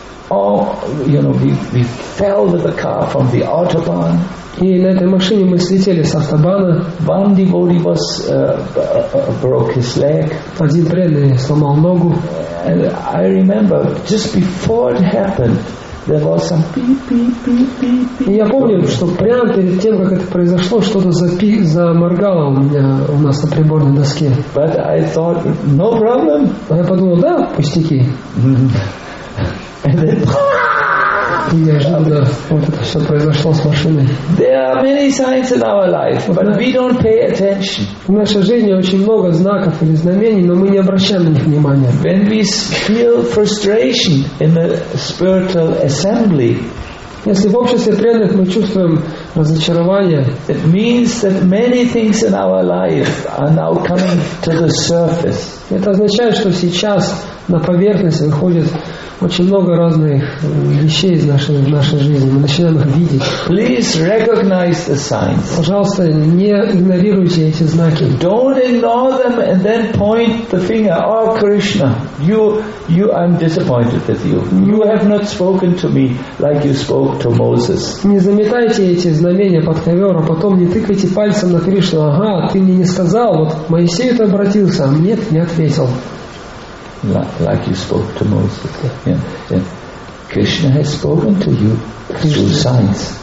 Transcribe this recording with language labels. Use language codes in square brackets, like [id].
[en] And we fell with the car from the autobahn. [ru] И на этой машине мы слетели с автобана. [en] One devotee was broke his leg. [ru] Один преданный сломал ногу. [en] And I remember just before it happened, there was some beep beep beep beep beep. [ru] И я помню, что прямо перед тем, как это произошло, что-то заморгало у нас на приборной доске. [en] But I thought, no problem. [ru] А я подумал, да, пустяки. [en] And then, [ru] неожиданно вот это все произошло с машиной. [en] There are many signs in our life, but we don't pay attention. [ru] В нашей жизни очень много знаков или знамений, но мы не обращаем на них внимания. [en] When we feel frustration in a spiritual assembly, [ru] если в обществе преданных мы чувствуем разочарование, [en] it means that many things in our life are now coming to the surface. [ru] Это означает, что сейчас на поверхность выходит очень много разных вещей в нашей жизни. Мы начинаем их видеть. [en] Please recognize the signs. [ru] Пожалуйста, не игнорируйте эти знаки. [en] Don't ignore them and then point the finger. Oh, Krishna, you, I'm disappointed with you. You have not spoken to me like you spoke to Moses. [ru] Не заметайте эти знамения под ковер, а потом не тыкайте пальцем на Кришну. Ага, ты мне не сказал, вот Моисею-то обратился, а мне не ответил. [en] Like you spoke to Moses. Yeah. Krishna has spoken to you through signs.